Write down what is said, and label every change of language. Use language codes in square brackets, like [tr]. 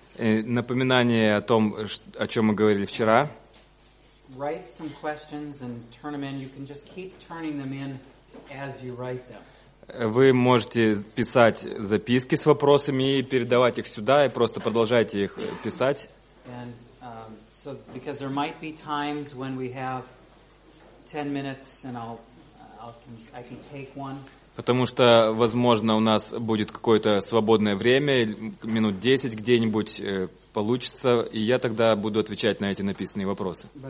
[ru] Напоминание о том, о чем мы говорили вчера. [en] Write some questions and turn them in. You can just keep turning them in as you write them. [ru] Вы можете писать записки с вопросами и передавать их сюда, и просто продолжайте их писать. [en] And so because there might be times when we have 10 minutes and I can take one. [ru] Потому что, возможно, у нас будет какое-то свободное время, минут 10 где-нибудь получится, и я тогда буду отвечать на эти написанные вопросы.